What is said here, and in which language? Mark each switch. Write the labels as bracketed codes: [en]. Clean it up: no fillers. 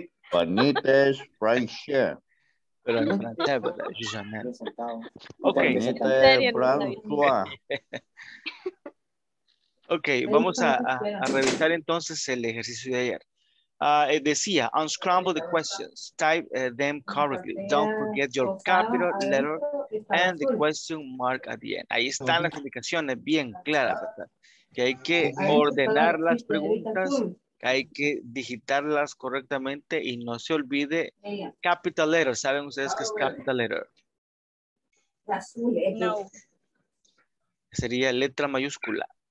[es] Juanita es Francia. Pero en francés, ¿verdad? Jeanette. Okay. Juanita es François. Ok, vamos a revisar entonces el ejercicio de ayer. [en] Decía, unscramble the questions, type them correctly. Don't forget your capital letter and the question mark at the end. [es] Ahí están las indicaciones bien claras, ¿verdad? Que hay que ordenar las preguntas, que hay que digitarlas correctamente y no se olvide capital letter. ¿Saben ustedes qué es capital letter? No. Sería letra mayúscula.